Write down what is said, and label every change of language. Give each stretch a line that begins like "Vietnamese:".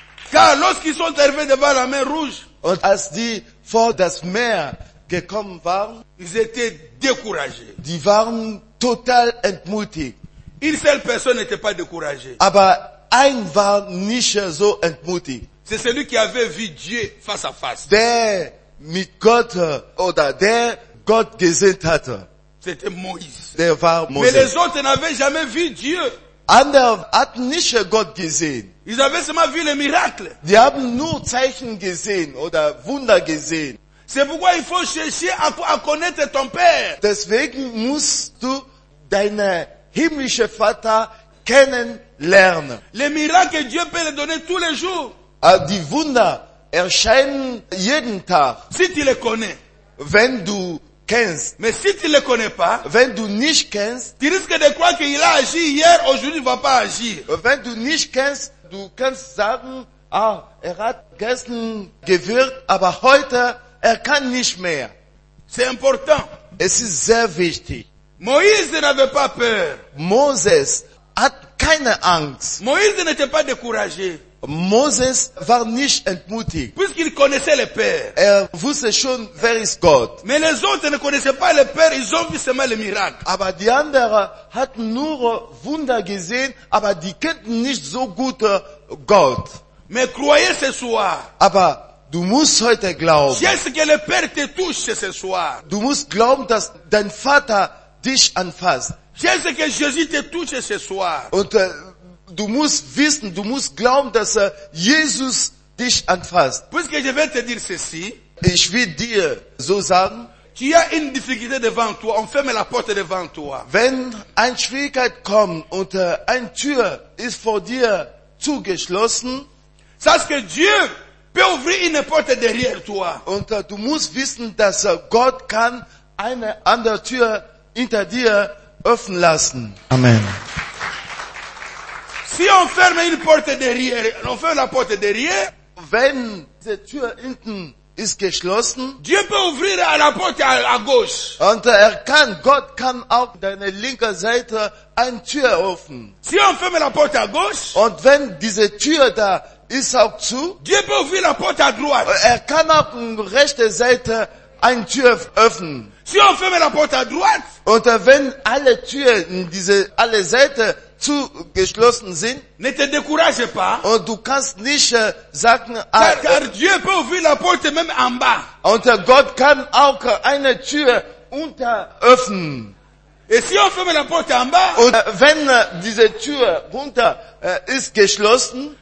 French: Car lorsqu'ils sont arrivés devant la mer rouge,
German: und als die vor das Meer gekommen waren,
French: ils étaient découragés.
German: Die waren total entmutigt.
French: Une seule personne n'était pas découragée.
German: Aber ein war nicht so entmutigt.
French: C'est celui qui avait vu Dieu face à face.
German: Der mit Gott oder der Gott gesehen hatte.
French: C'était Moïse.
German: Der war Moïse.
French: Mais les autres n'avaient jamais vu Dieu.
German: Andere hatten nicht Gott gesehen.
French: Ils avaient seulement vu les miracles.
German: Die haben nur Zeichen gesehen oder Wunder gesehen.
French: C'est pourquoi il faut chercher à connaître ton Père.
German: Deswegen musst du deinen himmlischen Vater kennenlernen.
French: Les miracles, Dieu peut les donner tous les jours.
German: Die Wunder erscheinen jeden Tag.
French: Si tu les connais.
German: Wenn du kennst,
French: mais si tu le connais pas,
German: wenn du nicht kennst,
French: tu risques de croire qu'il a agi hier, aujourd'hui il va pas agir.
German: Wenn du nicht kennst, du kannst sagen, er hat gestern gewirkt, aber heute er kann nicht mehr.
French: C'est important.
German: Es ist sehr wichtig.
French: Moïse n'avait pas peur.
German: Moses hat keine Angst.
French: Moïse n'était pas découragé.
German: Moses war nicht entmutigt.
French: Puisqu'il connaissait le Père.
German: Er wusste schon, wer ist Gott.
French: Mais les autres ne connaissaient pas le Père, ils ont vu seulement le miracle.
German: Aber die anderen hatten nur Wunder gesehen, aber die kannten nicht so gut Gott.
French: Mais croyez ce soir.
German: Aber du musst heute glauben.
French: Je sais que le Père te touche ce soir.
German: Du musst glauben, dass dein Vater dich anfasst.
French: Je sais que Jésus te touche ce soir.
German: Und du musst wissen, du musst glauben, dass Jesus dich anfasst.
French: Puisque je vais te dire ceci,
German: ich will dir so sagen,
French: tu as une difficulté devant toi, on ferme la porte devant toi.
German: Wenn eine Schwierigkeit kommt und eine Tür ist vor dir zugeschlossen, sagst du,
French: Dieu peut ouvrir une porte derrière toi.
German: Und du musst wissen, dass Gott kann eine andere Tür hinter dir öffnen lassen. Amen.
French: Si on ferme une porte derrière, on ferme la porte derrière.
German: Wenn die Tür hinten ist geschlossen,
French: Dieu peut ouvrir à la porte à gauche.
German: Und er kann, Gott kann auch deine linke Seite eine Tür öffnen.
French: Si on ferme la porte à gauche.
German: Und wenn diese Tür da ist auch zu,
French: Dieu peut ouvrir la porte à droite.
German: Er kann auf der rechten Seite eine Tür öffnen.
French: Si on ferme la porte à droite.
German: Und wenn alle Türen diese alle Seiten zugeschlossen sind,
French: ne te décourage pas,
German: und du kannst nicht sagen,
French: car Dieu peut ouvrir la porte même en bas.
German: Und Gott kann auch eine Tür unter öffnen.
French: Et si on ferme la porte en bas,
German: und wenn diese Tür runter ist geschlossen,